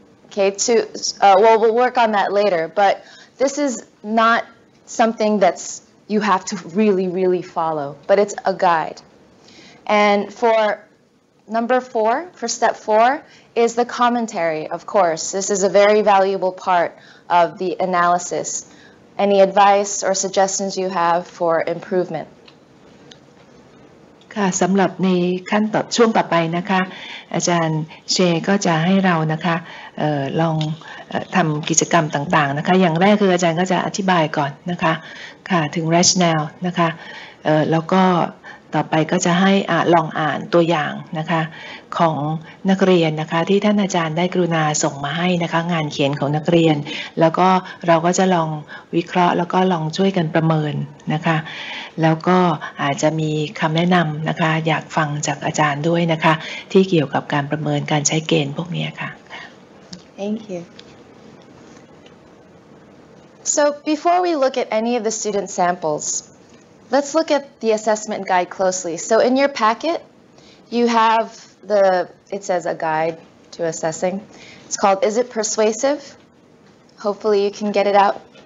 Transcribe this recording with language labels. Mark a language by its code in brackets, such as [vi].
[en] Okay, we'll work on that later. But this is not something that's you have to really, really follow, but it's a guide. And for number four, for step four, is the commentary, of course. This is a very valuable part of the analysis. Any advice or suggestions you have for improvement? [th] ค่ะสำหรับในขั้นตอนช่วงต่อไปนะคะอาจารย์เชก็จะให้เรานะคะลองทำกิจกรรมต่างๆนะคะอย่างแรกคืออาจารย์ก็จะอธิบายก่อนนะคะค่ะถึง rationale นะคะ แล้วก็ต่อไปก็จะให้ลองอ่านตัวอย่างนะคะของนักเรียนนะคะที่ท่านอาจารย์ได้กรุณาส่งมาให้นะคะงานเขียนของนักเรียนแล้วก็เราก็จะลองวิเคราะห์แล้วก็ลองช่วยกันประเมินนะคะแล้วก็อาจจะมีคำแนะนำนะคะอยากฟังจากอาจารย์ด้วยนะคะที่เกี่ยวกับการประเมินการใช้เกณฑ์พวกนี้ค่ะ [en] Thank you So before we look at any of the student samplesLet's look at the assessment guide closely. So in your packet, you have it says a guide to assessing. It's called, Is It Persuasive? Hopefully you can get it out.